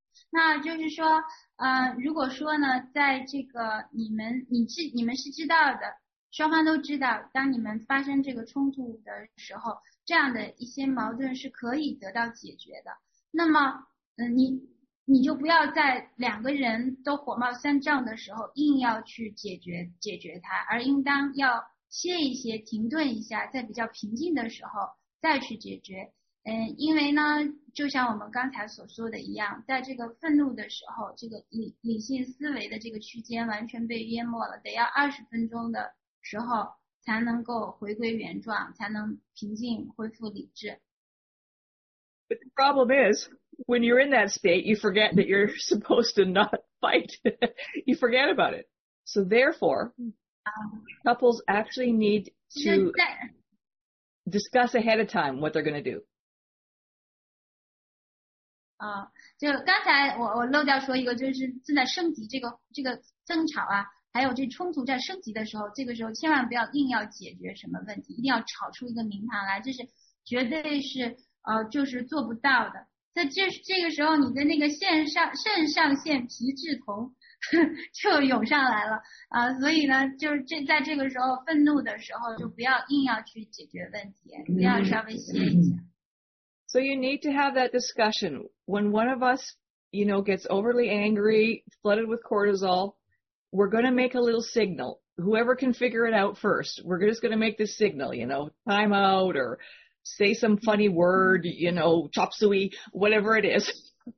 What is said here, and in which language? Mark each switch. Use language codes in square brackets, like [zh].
[zh] 那就是说，如果说呢，在这个你们是知道的。双方都知道，当你们发生这个冲突的时候，这样的一些矛盾是可以得到解决的。那么，你就不要在两个人都火冒三丈的时候硬要去解决它，而应当要歇一歇，停顿一下，在比较平静的时候再去解决。因为呢，就像我们刚才所说的一样，在这个愤怒的时候，这个理性思维的这个区间完全被淹没了，得要20分钟的时候才能够回归原状，才能平静恢复理智。 [en] But the problem is, when you're in that state, you forget that you're supposed to not fight. You forget about it. So therefore, couples actually need to discuss ahead of time what they're going to do. [zh] 就刚才我漏掉说一个，就是正在升级这个争吵啊。还有这冲突在升级的时候，这个时候千万不要硬要解决什么问题，一定要吵出一个名堂来，这是绝对是就是做不到的。在这个时候，你的那个肾上腺皮质酮就涌上来了所以呢，就是在这个时候愤怒的时候，就不要硬要去解决问题，不要稍微歇一下。 [en] So you need to have that discussion when one of us, you know, gets overly angry, flooded with cortisol. We're going to make a little signal. Whoever can figure it out first, we're just going to make this signal, you know, time out or say some funny word, you know, chop suey, whatever it is.